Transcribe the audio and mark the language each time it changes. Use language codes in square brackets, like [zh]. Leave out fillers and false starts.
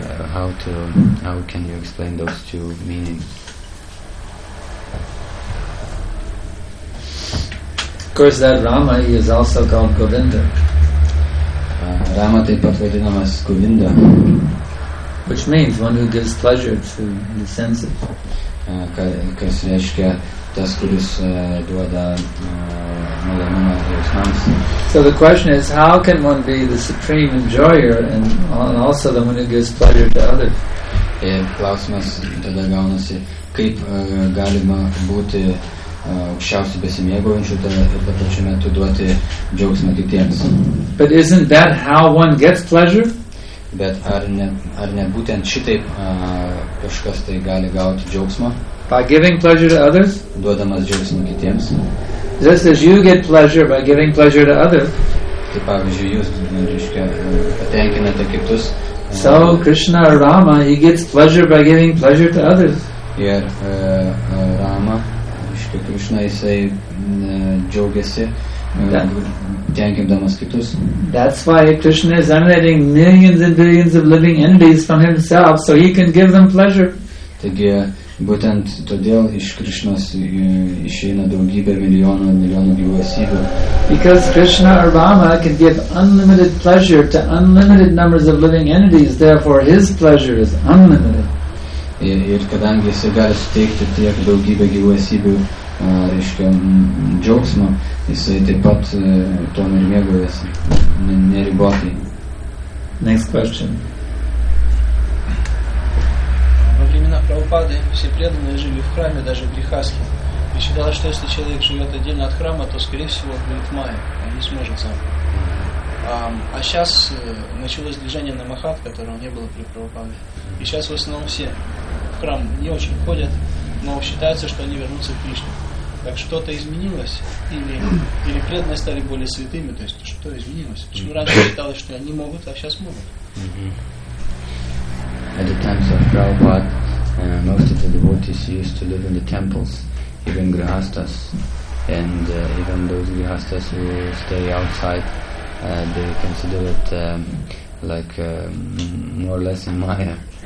[en] How can you explain those two meanings? Of course, that Rama, he is also called Govinda. [lt] Rama taip pat vadinamas Govinda. [en] Which means one who gives pleasure to the senses. [lt] Kas reiškia tas, kuris duoda malonumą jausmams. [en] So the question is, how can one be the supreme enjoyer and also the one who gives pleasure to others? [lt] Ir klausimas tada gaunasi, kaip galima būti aukščiausiai besimėgaujančių ir tą pačiu metu duoti džiaugsmą kitiems. [en] But isn't that how one gets pleasure? [lt] Bet ar ne būtent šitaip kažkas tai gali gauti džiaugsmą? [en] By giving pleasure to others? [lt] Duodamas džiaugsmą kitiems. [en] Just as you get pleasure by giving pleasure to others. [lt] Tai pavyzdžiui, jūs, reiškia, patenkinate kitus. [en] So Krishna or Rama, he gets pleasure by giving pleasure to others. [lt] Ir Rama, kaip Krishna, jisai džiaugiasi tenkindamas kitus. [en] That's why Krishna is emanating millions and billions of living entities from himself, so he can give them pleasure. [lt] Taigi, būtent todėl iš Krishnos išeina daugybė milijonų gyvų esybių. [en] Because Krishna or Rama can give unlimited pleasure to unlimited numbers of living entities, therefore his pleasure is unlimited. [lt] Ir kadangi jisai gali suteikti tiek daugybę gyvų esybių, reiškia, džiaugsmo, jisai taip pat to ir mėgojasi, neribotai. [en] Next question. [ru] Во времена Прабхупады все преданные жили в храме, даже в Брихасхе. И считалось, что если человек живет отдельно от храма, то, скорее всего, будет майя, он не сможет сам. А сейчас началось движение на Махат, которого не было при Прабхупаде. И сейчас в основном все в храм не очень ходят, но считается, что они вернутся к Кришне. Так что-то изменилось? Или преданные стали более святыми? То есть что изменилось? Почему раньше считалось, что они могут, а сейчас могут? [en] At the times of Prabhupada, most of the devotees used to live in the temples, even grihastas, and even those grihastas who stay outside, they consider it more or less a maya.